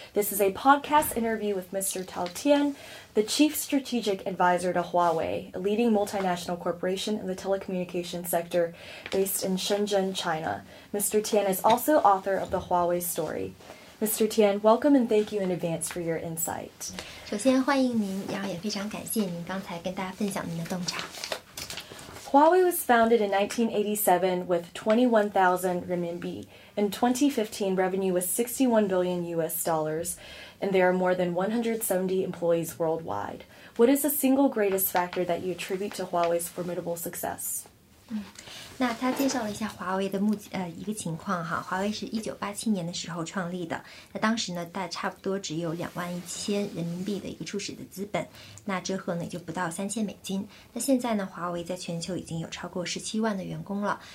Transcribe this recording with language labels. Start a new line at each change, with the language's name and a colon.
English: This is a podcast interview with Mr. Tao Tian, the Chief Strategic Advisor to Huawei, a leading multinational corporation in the telecommunications sector based in Shenzhen, China. Mr. Tian is also author of The Huawei Story. Mr. Tian, welcome and thank you in advance for your insight.
Chinese: 首先欢迎您，然后也非常感谢您刚才跟大家分享您的洞察。
English: Huawei was founded in 1987 with 21,000 renminbi. In 2015, revenue was 61 billion US dollars, and there are more than 170 employees worldwide. What is the single greatest factor that you attribute to Huawei's formidable success?
Chinese: 那他介绍了一下华为的一个情况哈，华为是1987年的时候创立的，那当时呢，大差不多只有21,000人民币的一个初始的资本，那折合呢就不到3000美金。那现在呢，华为在全球已经有超过17万的员工了。